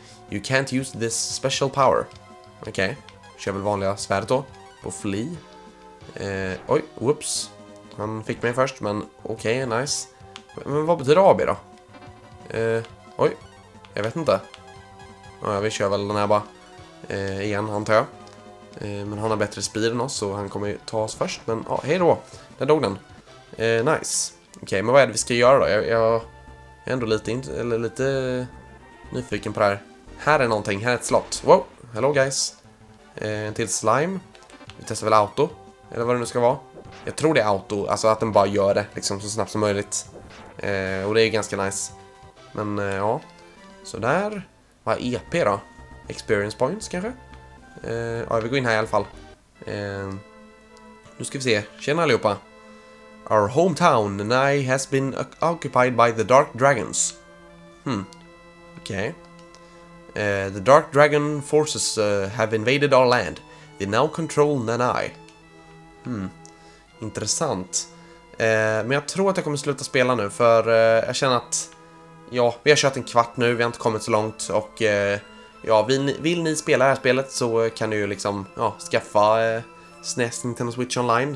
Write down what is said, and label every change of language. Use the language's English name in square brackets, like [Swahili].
[English] You can't use this special power. Okej. Okay. [Swedish] Kör väl vanliga svärdet då. På fly. Oj, whoops. Han fick mig först, men okej, okay, nice. Men vad betyder AB då? Oj. Jag vet inte. Ja, vi kör väl den här bara igen, antar jag. Men han har bättre speed än oss, så han kommer ju ta oss först. Men ja, hej då. Där dog den. Nice. Okej, men vad är det vi ska göra då? Jag är ändå lite nyfiken på det här. Här är någonting, här är ett slott. [English] Wow, hello guys. [Swedish] En till slime. Vi testar väl auto. Eller vad det nu ska vara. Jag tror det är auto, alltså att den bara gör det liksom så snabbt som möjligt. Och det är ju ganska nice. Men ja. Så där. Vad är EP då? Experience points kanske? Ja, vi går in här i alla fall. Nu ska vi se. Tjena allihopa. [English] Our hometown, Nai, has been occupied by the Dark Dragons. Okej. The Dark Dragon forces have invaded our land. They now control Nanai. Intressant. [Swedish] Men jag tror att jag kommer sluta spela nu, för jag känner att... Ja, vi har kört en kvart nu, vi har inte kommit så långt. Och ja, vill ni spela det här spelet så kan ni ju liksom skaffa SNES Nintendo Switch Online.